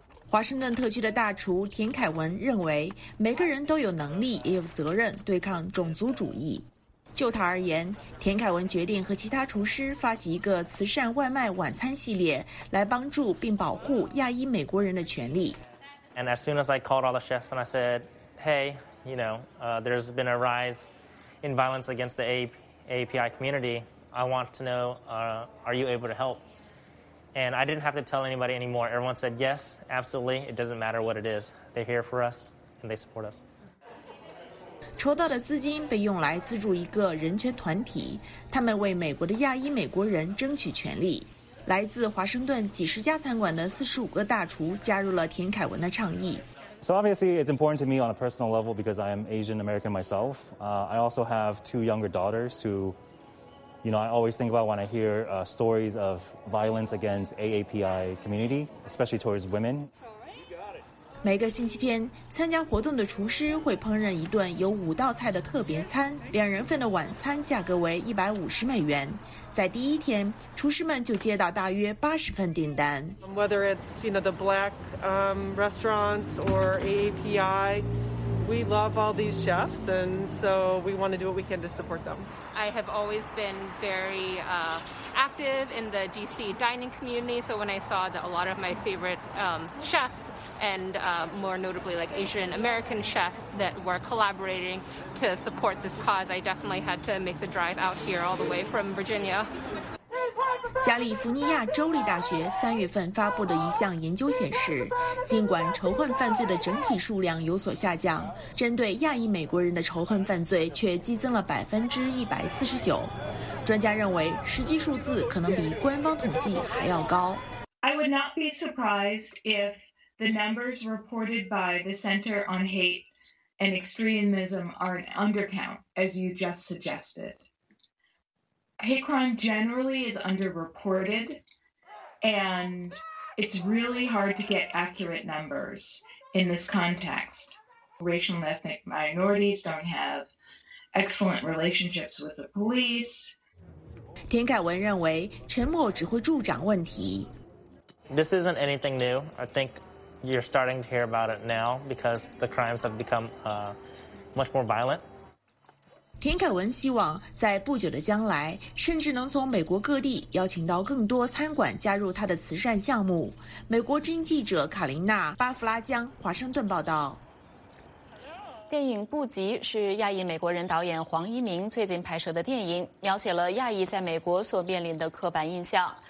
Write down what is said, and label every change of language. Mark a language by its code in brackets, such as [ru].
[zh] 华盛顿特区的大厨田凯文认为每个人都有能力也有责任对抗种族主义。就他而言，田凯文决定和其他厨师发起一个慈善外卖晚餐系列，来帮助并保护亚裔美国人的权利。 [en] And as soon as I called all the chefs and I said, hey, you know, there's been a rise in violence against the API community. I want to know, are you able to help? And I didn't have to tell anybody anymore. Everyone said, yes, absolutely. It doesn't matter what it is. They're here for us and they support us. [zh] 筹到的资金被用来资助一个人权团体，他们为美国的亚裔美国人争取权利。来自华盛顿几十家餐馆的45个大厨加入了田凯文的倡议。 [en] So obviously it's important to me on a personal level because I am Asian American myself. I also have two younger daughters who, You know, I always think about when I hear stories of violence against AAPI community, especially towards women. [zh] 每个星期天，参加活动的厨师会烹饪一顿有五道菜的特别餐，两人份的晚餐价格为$150。在第一天，厨师们就接到大约80份订单。 [en] Whether it's, you know, the black restaurants or AAPI, we love all these chefs, and so we want to do what we can to support them. I have always been very active in the DC dining community, so when I saw that a lot of my favorite chefs,and more notably like Asian American chefs that were collaborating to support this cause, I definitely had to make the drive out here all the way from Virginia. [zh] 加利福尼亚州立大学三月份发布的一项研究显示，尽管仇恨犯罪的整体数量有所下降，针对亚裔美国人的仇恨犯罪却激增了149%。专家认为，实际数字可能比官方统计还要高。 [en] I would not be surprised if. The numbers reported by the Center on Hate and Extremism are an undercount, as you just suggested. Hate crime generally is underreported, and it's really hard to get accurate numbers in this context. Racial and ethnic minorities don't have excellent relationships with the police. [zh] 田凯文认为，沉默只会助长问题。 [en] This isn't anything new, I think. You're starting to hear about it now because the crimes have become much more violent. [zh] 田凯文希望在不久的将来，甚至能从美国各地邀请到更多餐馆加入他的慈善项目。美国之音记者卡琳娜·巴弗拉江，华盛顿报道。电影《不吉》是亚裔美国人导演黄一鸣最近拍摄的电影，描写了亚裔在美国所面临的刻板印象。